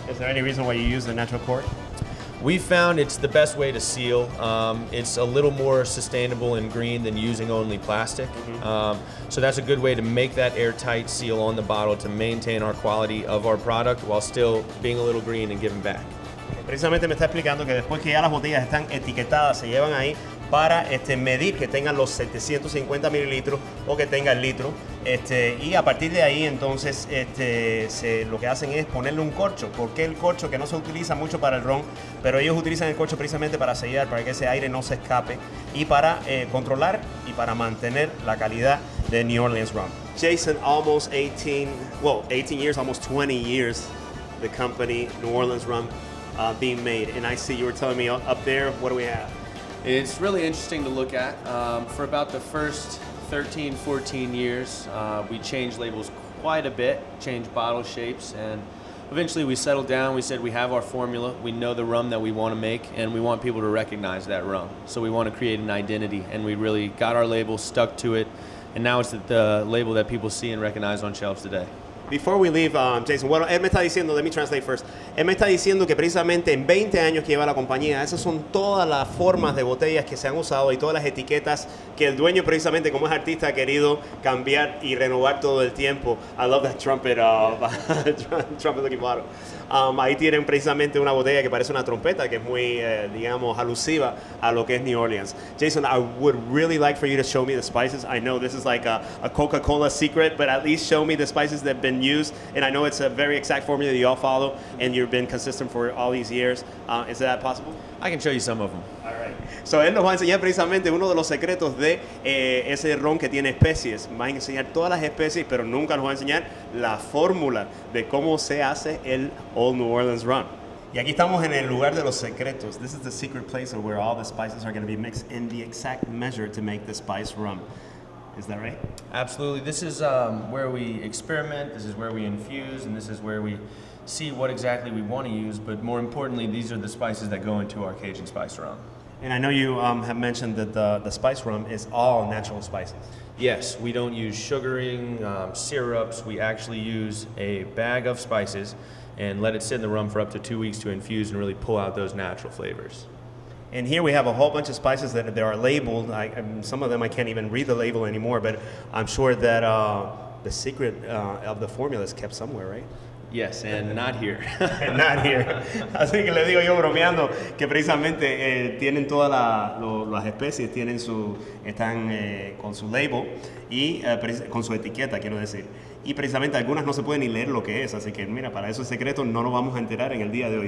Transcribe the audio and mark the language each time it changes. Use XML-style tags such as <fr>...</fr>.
<en>Is there any reason why you use the natural cork? We found it's the best way to seal. It's a little more sustainable and green than using only plastic. Mm-hmm. So that's a good way to make that airtight seal on the bottle to maintain our quality of our product while still being a little green and giving back.</en> <es>Precisamente me está explicando que después que ya las botellas están etiquetadas, se llevan ahí para medir que tengan los 750 mililitros o que tenga el litro. Y a partir de ahí, entonces, lo que hacen es ponerle un corcho. ¿Por qué el corcho? Que no se utiliza mucho para el ron, pero ellos utilizan el corcho precisamente para sellar, para que ese aire no se escape y para controlar y para mantener la calidad de New Orleans Rum.</es> <en>Jason, almost 20 years, the company New Orleans Rum being made. And I see you were telling me up there, what do we have? It's really interesting to look at. For about the first 13, 14 years, we changed labels quite a bit, changed bottle shapes, and eventually we settled down. We said we have our formula, we know the rum that we want to make, and we want people to recognize that rum. So we want to create an identity, and we really got our label, stuck to it, and now it's the label that people see and recognize on shelves today. Before we leave, Jason,</en> <es>bueno, él me está diciendo,</es> <en>let me translate first.</en> <es>Él me está diciendo que precisamente en 20 años que lleva la compañía, esas son todas las formas de botellas que se han usado y todas las etiquetas que el dueño, precisamente como es artista, ha querido cambiar y renovar todo el tiempo.</es> <en>I love that trumpet, trumpet looking bottle.</en> <es>Ahí tienen precisamente una botella que parece una trompeta, que es muy, digamos, alusiva a lo que es New Orleans.</es> <en>Jason, I would really like for you to show me the spices. I know this is like a Coca-Cola secret, but at least show me the spices that been used. And I know it's a very exact formula that you all follow, and you've been consistent for all these years. Is that possible? I can show you some of them. All right.</en> <es>So él nos va a enseñar precisamente uno de los secretos de ese ron que tiene especies. Va a enseñar todas las especies, pero nunca nos va a enseñar la fórmula de cómo se hace el Old New Orleans Rum. Y aquí estamos en el lugar de los secretos.</es> <en>This is the secret place of where all the spices are going to be mixed in the exact measure to make the spice rum. Is that right? Absolutely. This is where we experiment, this is where we infuse, and this is where we see what exactly we want to use, but more importantly, these are the spices that go into our Cajun spice rum. And I know you have mentioned that the spice rum is all natural spices. Yes, we don't use sugaring, syrups. We actually use a bag of spices and let it sit in the rum for up to 2 weeks to infuse and really pull out those natural flavors. And here we have a whole bunch of spices that they are labeled. Some of them I can't even read the label anymore, but I'm sure that the secret of the formula is kept somewhere, right? Yes, and not here. And not here.</en> <es>Así que le digo yo bromeando que precisamente tienen todas las especies, tienen su, están con su label y con su etiqueta, quiero decir. Y precisamente algunas no se pueden ni leer lo que es, así que mira, para esos secretos no nos vamos a enterar en el día de hoy.</es>